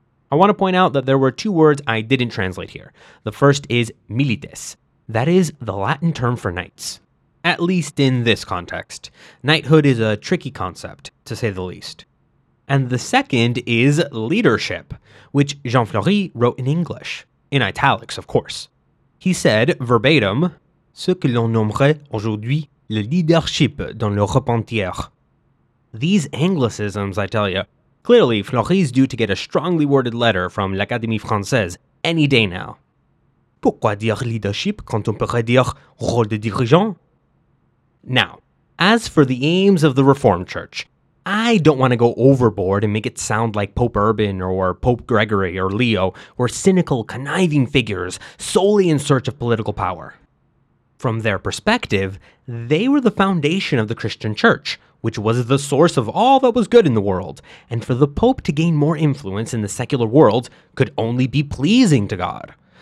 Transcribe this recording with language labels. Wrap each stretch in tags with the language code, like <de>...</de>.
<en>I want to point out that there were 2 words I didn't translate here. The first is milites. That is the Latin term for knights. At least in this context. Knighthood is a tricky concept, to say the least. And the second is leadership, which Jean Fleury wrote in English. In italics, of course. He said, verbatim,</en> <fr>"Ce que l'on nommerait aujourd'hui le leadership dans l'Europe entière."</fr> <en>These anglicisms, I tell ya. Clearly, Fleury's due to get a strongly worded letter from l'Académie Française any day now.</en> <fr>Pourquoi dire leadership quand on pourrait dire rôle de dirigeant?</fr> <en>Now, as for the aims of the Reformed Church, I don't want to go overboard and make it sound like Pope Urban or Pope Gregory or Leo were cynical, conniving figures solely in search of political power. From their perspective, they were the foundation of the Christian Church, which was the source of all that was good in the world, and for the Pope to gain more influence in the secular world could only be pleasing to God.</en>